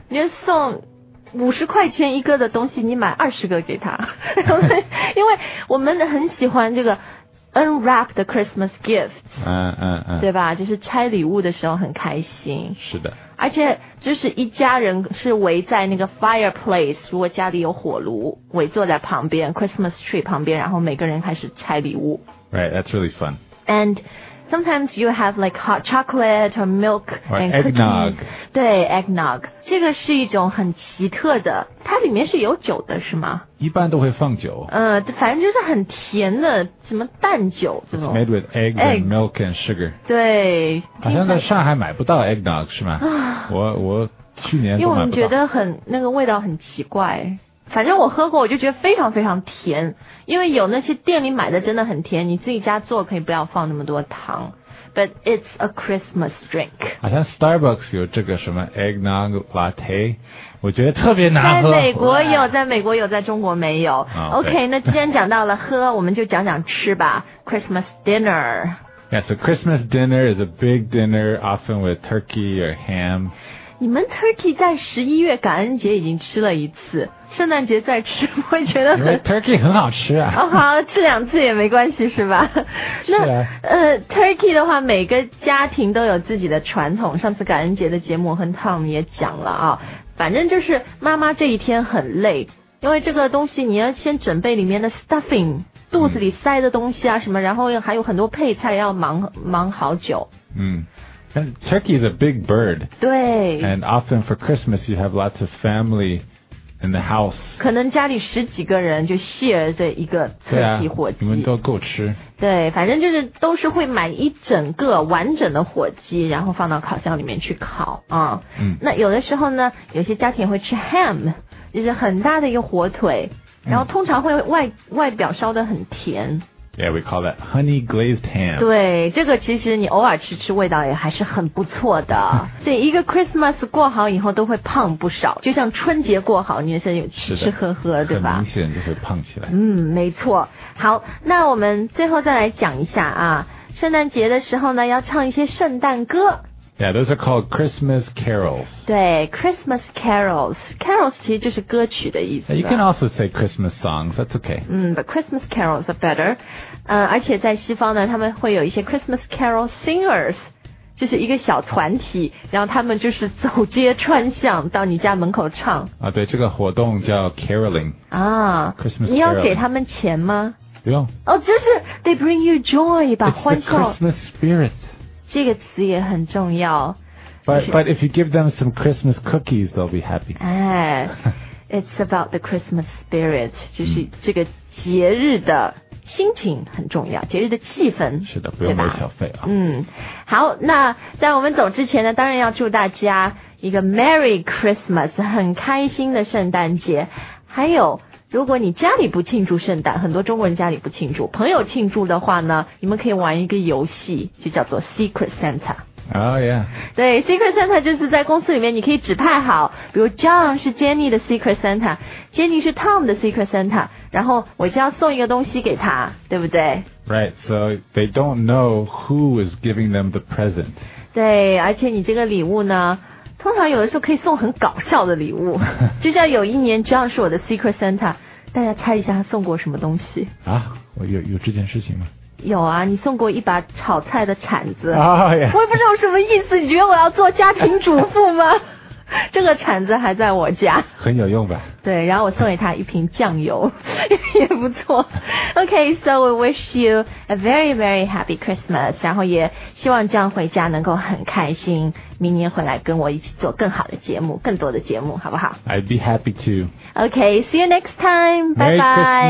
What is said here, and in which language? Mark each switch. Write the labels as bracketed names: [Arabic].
[Chinese] 你送50块钱一个的东西你买20个给他因为我们很喜欢这个 [English] unwrap the Christmas gift [Chinese] 对吧就是拆礼物的时候很开心是的而且就是一家人是围在那个 fireplace 如果家里有火炉围坐在旁边 Christmas tree 旁边然后每个人开始拆礼物 [English] Right, that's really fun And sometimes you have like hot chocolate or milk Or and eggnog、 cookies. [Chinese] 对 eggnog 这个是一种很奇特的它里面是有酒的是吗一般都会放酒反正就是很甜的什么蛋酒这种 [English] It's made with eggs and milk and sugar [Chinese] 对好像在上海买不到 eggnog 是吗我去年都买不到因为我觉得很那个味道很奇怪反正我喝过我就觉得非常非常甜因为有那些店里买的真的很甜你自己家做可以不要放那么多糖 [English] But it's a Christmas drink [Chinese] 好像 Starbucks 有这个什么 eggnog latte 我觉得特别难喝在美国有在美国有在中国没有、 oh, OK 那既然讲到了喝我们就讲讲吃吧 Christmas dinner [English] Yeah so Christmas dinner is a big dinner often with turkey or ham [Chinese] 你们 turkey 在11月感恩节已经吃了一次圣诞节再吃我觉得很 Turkey 很好吃啊哦好吃两次也没关系是吧那是、 Turkey 的话每个家庭都有自己的传统上次感恩节的节目和 Tom 也讲了啊反正就是妈妈这一天很累因为这个东西你要先准备里面的 stuffing 肚子里塞的东西啊什么然后还有很多配菜要忙好久嗯但 [English] Turkey is a big bird [Chinese] 对 [English] and often for Christmas you have lots of family in the house [Chinese] 可能家里十几个人就 share 这一个 turkey 火鸡对啊你们都够吃对反正就是都是会买一整个完整的火鸡然后放到烤箱里面去烤啊。那有的时候呢有些家庭会吃 ham 就是很大的一个火腿然后通常会外表烧得很甜 [English] Yeah, we call that honey glazed ham [Chinese] 对这个其实你偶尔吃吃味道也还是很不错的对一个 Christmas 过好以后都会胖不少就像春节过好你也是吃吃喝喝对吧很明显就会胖起来嗯没错好那我们最后再来讲一下啊圣诞节的时候呢要唱一些圣诞歌 [English] Yeah, those are called Christmas carols. 对 ,Christmas carols. [Chinese] Carols 其实就是歌曲的意思。 [English] You can also say Christmas songs, that's okay. 嗯 ,but Christmas carols are better. [Chinese] 而且在西方呢他们会有一些 Christmas carol singers, 就是一个小团体然后他们就是走街串巷到你家门口唱。啊对这个活动叫 caroling. 啊 [English] ,Christmas [Chinese] carols. 你要给他们钱吗不用。哦、oh, 就是 [English] they bring you joy, [Chinese] 把欢笑。 [English] It's the Christmas spirit. [Chinese] 这个词也很重要 [English] but if you give them some Christmas cookies they'll be happy、 [Chinese] 哎、 [English] It's about the Christmas spirit [Chinese] 就是这个节日的心情很重要节日的气氛是的不用给小费啊嗯，好那在我们走之前呢当然要祝大家一个 Merry Christmas 很开心的圣诞节还有如果你家里不庆祝圣诞很多中国人家里不庆祝朋友庆祝的话呢你们可以玩一个游戏就叫做 Secret Santa [English] Oh yeah [Chinese] 对 Secret Santa 就是在公司里面你可以指派好比如 John 是 Jenny 的 Secret Santa Jenny 是 Tom 的 Secret Santa 然后我就要送一个东西给他对不对 [English] Right so they don't know who is giving them the present [Chinese] 对而且你这个礼物呢通常有的时候可以送很搞笑的礼物就像有一年 John 是我的 Secret Santa 大家猜一下他送过什么东西啊我有这件事情吗有啊你送过一把炒菜的铲子、 [English] oh, yeah. [Chinese] 我也不知道什么意思你觉得我要做家庭主妇吗这个铲子还在我家很有用吧对然后我送给他一瓶酱油也不错 [English] OK so we wish you a very very happy Christmas [Chinese] 然后也希望这样回家能够很开心明年回来跟我一起做更好的节目更多的节目好不好 [English] I'd be happy to OK see you next time Bye bye